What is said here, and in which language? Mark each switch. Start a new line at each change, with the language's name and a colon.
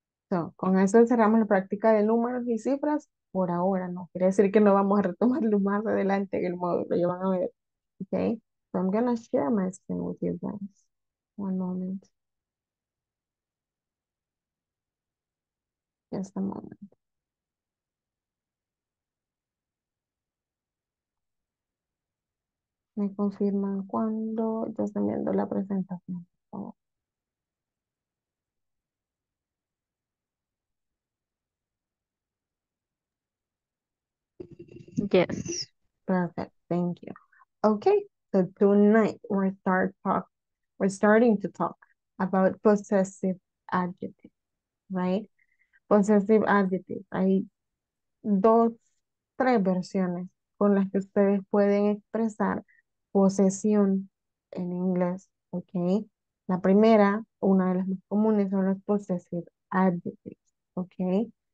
Spanish: So, con eso cerramos la práctica de números y cifras por ahora. No quiere decir que no vamos a retomarlo más adelante en el módulo. Ya van a ver. Okay.
English: So, I'm going to share my screen with you guys. One moment. Just a moment.
Spanish: Me confirman cuando yo estoy viendo la presentación.
English: Oh. Yes. Perfect. Thank you. Okay. So tonight we're starting to talk about possessive adjectives, right? Possessive adjectives.
Spanish: Hay dos, tres versiones con las que ustedes pueden expresar posesión en inglés, okay? La primera, una de las más comunes, son los possessive adjectives, okay?